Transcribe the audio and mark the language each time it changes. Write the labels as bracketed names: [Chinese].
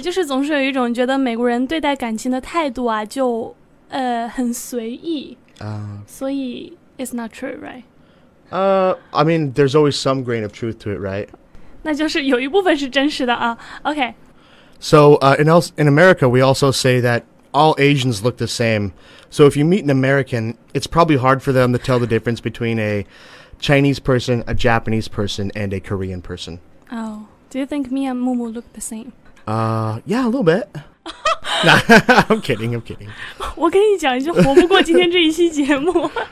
[Chinese] 对，就是总是有一种觉得美国人对待感情的态度啊，就很随意。所以 [English] it's not true, right? I mean, there's always some grain of truth to it, right? [Chinese] 那就是有一部分是真实的啊。 [English] OK. So, in America, we also say that all Asians look the same. So if you meet an American, it's probably hard for them to tell the difference between a Chinese person, a Japanese person, and a Korean person. Oh, do you think me and Mumu look the same? Yeah, a little bit. Nah, I'm kidding. [Chinese] 我跟你讲，就活不过今天这一期节目。